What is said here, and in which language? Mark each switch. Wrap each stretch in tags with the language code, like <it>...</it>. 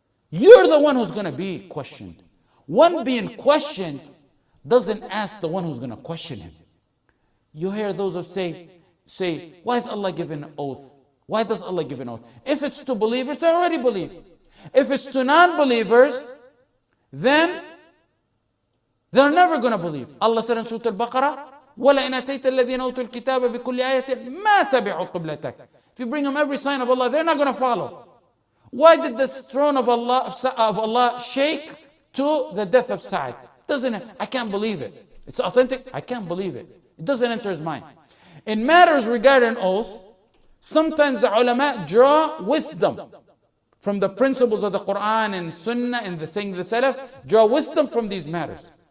<en>You're the one who's going to be questioned. One being questioned doesn't ask the one who's going to question him. You hear those who say, why is Allah giving an oath? Why does Allah give an oath? If it's to believers, they already believe. If it's to non-believers, then they're never going to believe. Allah said in Surah Al-Baqarah,</en> <ar>وَلَئِنْ أَتَيْتَ الَّذِينَ أُوتُوا الْكِتَابَ بِكُلِّ آيَةٍ مَا تَبِعُوا قِبْلَتَكَ.</ar> <en>If you bring them every sign of Allah, they're not going to follow. Why did the throne of Allah shake to the death of Sa'd? Doesn't it? I can't believe it. It's authentic. I can't believe it. It doesn't enter his mind. In matters regarding oath, sometimes the ulama draw wisdom from the principles of the Quran and Sunnah and the saying of the Salaf, draw wisdom from these matters.</en>